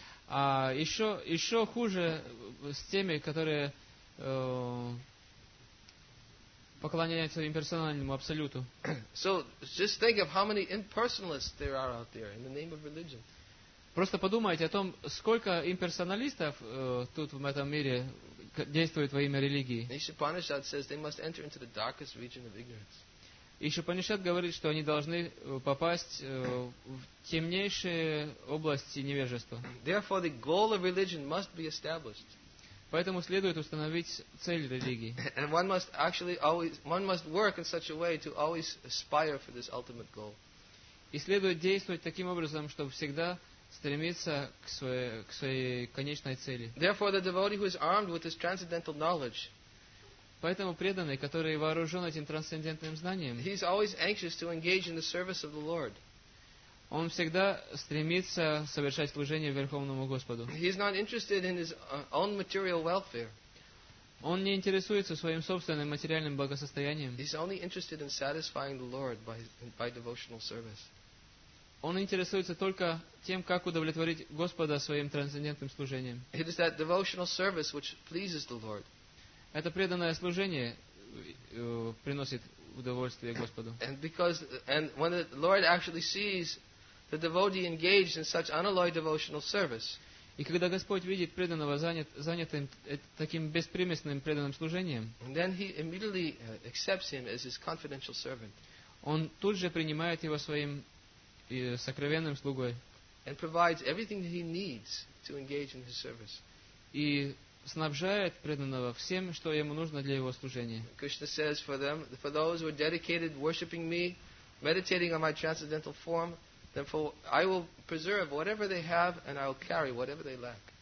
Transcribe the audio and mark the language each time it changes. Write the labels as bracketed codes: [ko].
[ru] А еще хуже с теми, которые поклоняются имперсональному абсолюту. [en] So just think of how many impersonalists there are out there in the name of religion. [ru] Просто подумайте о том, сколько имперсоналистов тут в этом мире действует во имя религии. [en] Ишупанишад says they must enter into the darkest region of ignorance. [ru] Ишупанишад говорит, что они должны попасть в темнейшие области невежества. [en] Therefore, the goal of religion must be established. [ru] Поэтому следует установить цель религии. [en] And one must actually always, one must work in such a way to always aspire for this ultimate goal. [ru] И следует действовать таким образом, чтобы всегда стремиться к своей конечной цели. [en] Therefore, the devotee who is armed with this transcendental knowledge. [ru] Поэтому преданный, который вооружен этим трансцендентным знанием, [en] he is always anxious to engage in the service of the Lord. [ru] Он всегда стремится совершать служение Верховному Господу. [en] He is not interested in his own material welfare. [ru] Он не интересуется своим собственным материальным благосостоянием. [en] He is only interested in satisfying the Lord by devotional service. [ru] Он интересуется только тем, как удовлетворить Господа своим трансцендентным служением. [en] It is that devotional service which pleases the Lord. [ru] Это преданное служение приносит удовольствие Господу. [en] And when the Lord actually sees the devotee engaged in such unalloyed devotional service. [ru] И когда Господь видит преданного занятым таким беспримесным преданным служением, [en] then he immediately accepts him as his confidential servant. [ru] Он тут же принимает его своим сокровенным слугой. [en] And provides everything that he needs to engage in his service. [ru] И снабжает преданного всем, что ему нужно для его служения. [en] Krishna says for them, for those who are dedicated worshiping me, meditating on my transcendental form, then for I will preserve whatever they have and I will carry whatever they lack.